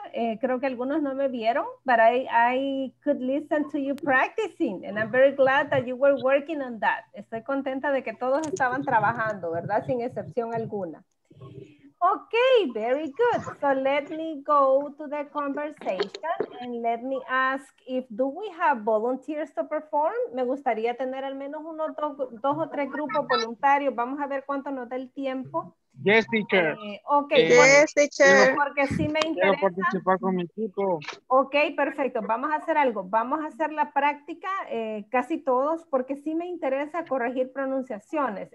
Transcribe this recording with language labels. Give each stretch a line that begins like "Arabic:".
Spanish: Creo que algunos no me vieron,
English: but I could listen to you practicing, and I'm very glad that you were working on that.
Spanish: Estoy contenta de que todos estaban trabajando, ¿verdad? Sin excepción alguna.
English: Okay, very good. So let me go to the conversation and let me ask if do we have volunteers to perform?
Spanish: Me gustaría tener al menos uno, dos o tres grupos voluntarios. Vamos a ver cuánto nos da el tiempo.
English: Yes, teacher. Okay. Yes, teacher.
Spanish: Porque sí me interesa. Quiero participar con mi equipo. Okay, perfecto. Vamos a hacer algo. Vamos a hacer la práctica casi todos porque sí me interesa corregir pronunciaciones.